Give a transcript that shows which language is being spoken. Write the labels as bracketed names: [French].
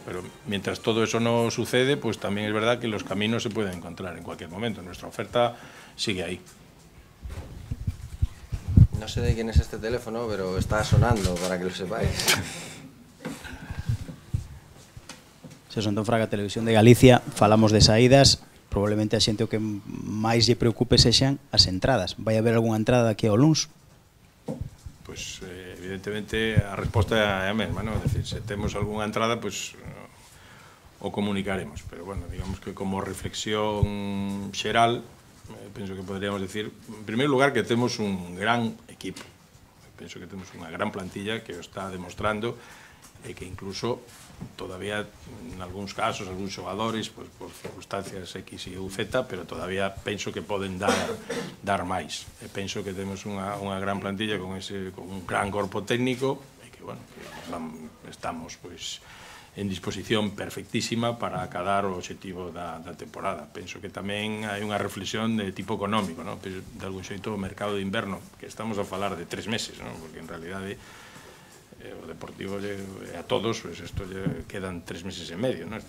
[Spanish] Pero mientras todo eso no sucede, pues también es verdad que los caminos se pueden encontrar en cualquier momento. Nuestra oferta sigue ahí. No sé de quién es este teléfono, pero está sonando, para que lo sepáis. [Galician] Se sonó en Fraga Televisión de Galicia, falamos de saídas. Probablemente asiente o que máis lle preocupe sexan as entradas. ¿Vai haber alguna entrada aquí a Oluns? Pues evidentemente a resposta é a mesma, ¿no? [Spanish] Es decir, [Galician] se temos alguna entrada, pues o comunicaremos. Pero bueno, digamos que como reflexión xeral, penso que [Spanish] podríamos decir, en primer lugar, [Galician] que temos un gran equipo. Penso que temos unha gran plantilla que o está demostrando, e que incluso todavía en algúns casos, algúns xogadores, pues, por circunstancias X e Z, pero todavía penso que poden dar máis. E penso que temos unha gran plantilla con un gran corpo técnico, e que, bueno, que estamos pues en disposición perfectísima para acadar o obxectivo da temporada. Penso que tamén hai unha reflexión de tipo económico, ¿no? De algún xeito o mercado de inverno, que estamos a falar de 3 meses, ¿no? Porque [Spanish] en realidad [Galician] o Deportivo a todos pues esto quedan 3 meses e medio, ¿no?